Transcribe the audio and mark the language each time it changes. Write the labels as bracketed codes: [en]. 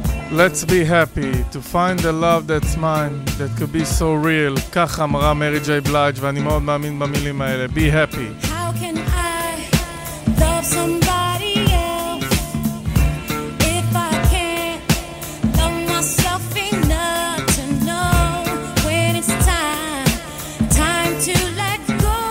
[en] Let's be happy to find the love that's mine that could be so real. [he] כך אמרה מרי ג'יי בלייג' ואני מאוד מאמין במילים האלה. [en] Be happy. How can I love somebody else if I can't love myself enough to know when it's time, time to let go.